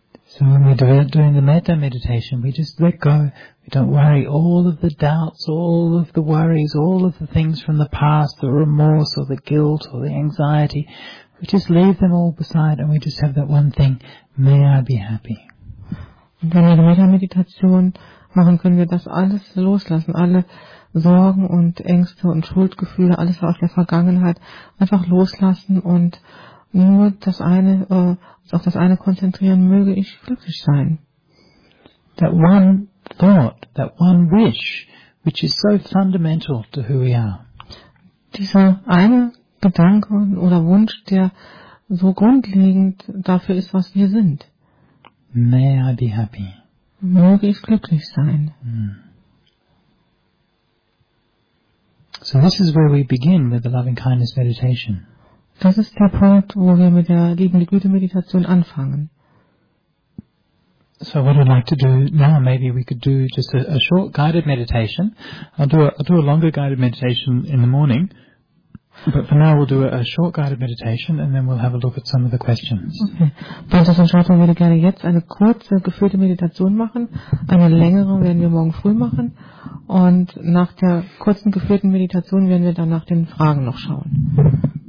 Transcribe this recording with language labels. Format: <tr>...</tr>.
<en>So when we're doing the metta meditation, we just let go. We don't worry. All of the doubts, all of the worries, all of the things from the past, the remorse or the guilt or the anxiety, we just leave them all beside and we just have that one thing. May I be happy.</en> <de>Wenn wir die metta meditation machen, können wir das alles loslassen. Alle Sorgen und Ängste und Schuldgefühle, alles aus der Vergangenheit, einfach loslassen und nur das eine, auf das eine konzentrieren, möge ich glücklich sein.</de> <en>That one thought, that one wish, which is so fundamental to who we are.</en> <de>Dieser eine Gedanke oder Wunsch, der so grundlegend dafür ist, was wir sind.</de> <en>May I be happy.</en> <de>Möge ich glücklich sein.</de> <en>So this is where we begin with the loving kindness meditation.</en> <de>Das ist der Punkt, wo wir mit der liebende Güte Meditation anfangen.</de> <en>So what I'd like to do now, maybe we could do just a short guided meditation. I'll do a longer guided meditation in the morning. But for now we'll do a short guided meditation and then we'll have a look at some of the questions. Okay.</en> <de>Bantas und Schatung würde gerne jetzt eine kurze geführte Meditation machen. Eine längere werden wir morgen früh machen. Und nach der kurzen geführten Meditation werden wir dann nach den Fragen noch schauen.</de>